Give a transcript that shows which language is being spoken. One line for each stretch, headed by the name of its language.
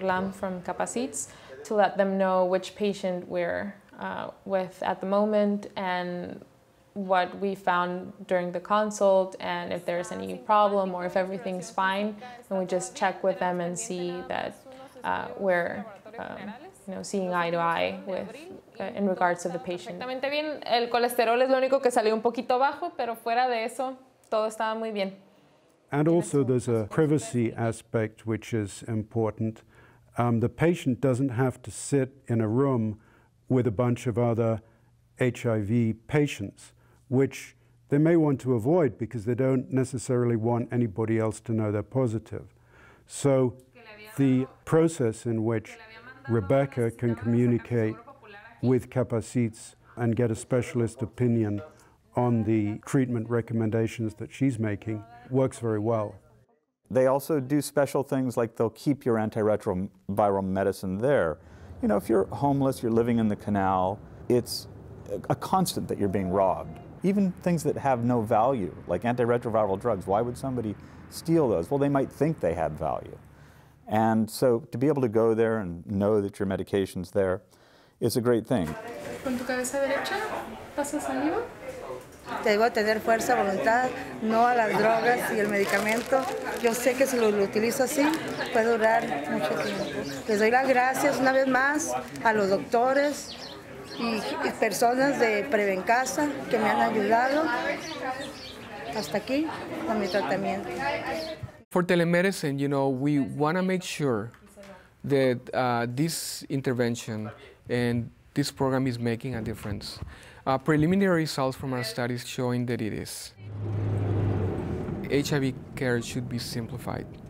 English: Lam from Capacites to let them know which patient we're with at the moment and what we found during the consult and if there's any problem or if everything's fine. And we just check with them and see that we're seeing eye to eye with in regards to the patient.
Spanish: Perfectamente bien. El colesterol es lo único que salió un poquito bajo, pero fuera de eso, todo estaba muy bien.
English: And also there's a privacy aspect which is important. The patient doesn't have to sit in a room with a bunch of other HIV patients, which they may want to avoid because they don't necessarily want anybody else to know they're positive. So the process in which Rebecca can communicate with Capacites and get a specialist opinion on the treatment recommendations that she's making works very well. They also do special things like they'll keep your antiretroviral medicine there. You know, if you're homeless, you're living in the canal, it's a constant that you're being robbed. Even things that have no value, like antiretroviral drugs, why would somebody steal those? Well, they might think they have value. And so to be able to go there and know that your medication's there is a great thing.
Spanish: Con tu cabeza derecha, pasa saliva. Debo tener fuerza, voluntad, no a las drogas y el medicamento. Yo sé que si lo utilizo así, puede durar mucho tiempo. Les doy las gracias una vez más a los doctores y personas de Prevencasa que me han ayudado. Hasta aquí con mi tratamiento.
English: For telemedicine, you know, we want to make sure that this intervention and this program is making a difference. Preliminary results from our studies showing that it is. HIV care should be simplified.